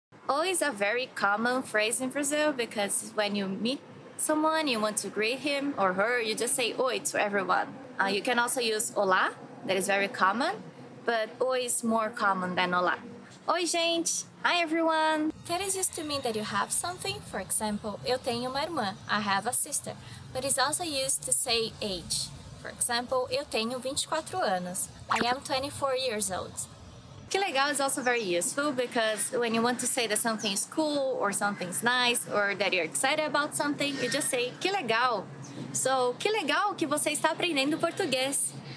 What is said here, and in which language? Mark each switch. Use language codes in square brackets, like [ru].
[en] Oi is a very common phrase in Brazil because when you meet someone, you want to greet him or her, you just say oi to everyone. You can also use olá, that is very common, but oi is more common than olá. [pt] Oi, gente! [en] Hi, everyone! That is used to mean that you have something. For example, [pt] eu tenho uma irmã, [en] I have a sister. But it's also used to say age. For example, [pt] eu tenho 24 anos, [en] I am 24 years old. Que legal is also very useful because when you want to say that something is cool or something is nice or that you're excited about something, you just say que legal. [pt] So, que legal que você está aprendendo português.